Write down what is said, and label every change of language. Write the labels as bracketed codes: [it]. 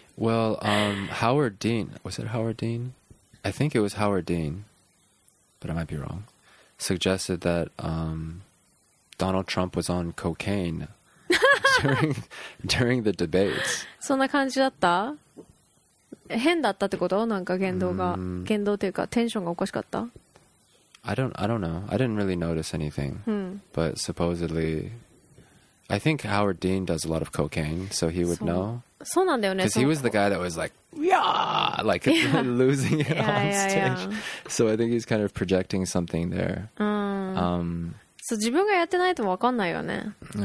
[en] Well, Howard Dean, was it Howard Dean? I think it was Howard Dean, but I might be wrong, suggested that Donald Trump was on cocaine during the debates. [ja] そんな感じだった?変だったってこと? なんか言動が、言動というかテンションがおかしかった? [en] I don't know. I didn't really notice anything. But supposedly, I think Howard Dean does a lot of cocaine, so he would know. [ja] そうなんだよね。 [en] Because he was the guy that was like, losing it on stage. Yeah. So I think he's kind of projecting something there. [ja] そう、自分がやってないとわかんないよね。